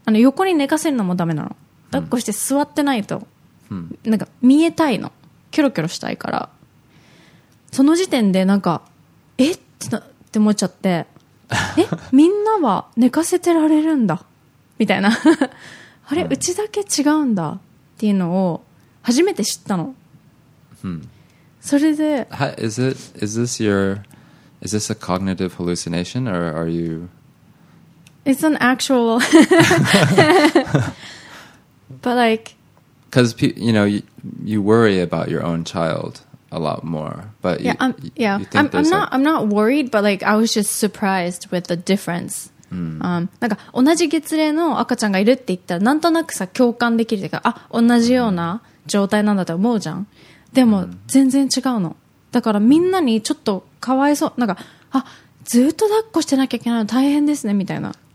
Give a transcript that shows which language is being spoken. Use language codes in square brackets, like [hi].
[ja] あの、横に寝かせるのもダメなの。抱っこして座ってないと、なんか見えたいの、キョロキョロしたいから。その時点でなんか、えってなって思っちゃって、えみんなは寝かせてられるんだみたいなあれ、うちだけ違うんだっていうのを初めて知ったの。それで、 [en] is this a cognitive hallucination or are you it's an actual but like because you know you worry about your own child a lot more, but yeah, I'm not worried, but like I was just surprised with the difference. [ja] なんか同じ月齢の赤ちゃんがいるって言ったら、なんとなくさ共感できるというか、あ、同じような状態なんだと思うじゃん。でも全然違うの。だからみんなにちょっとかわいそう、なんか、あ、ずっと抱っこしてなきゃいけないの大変ですねみたいな。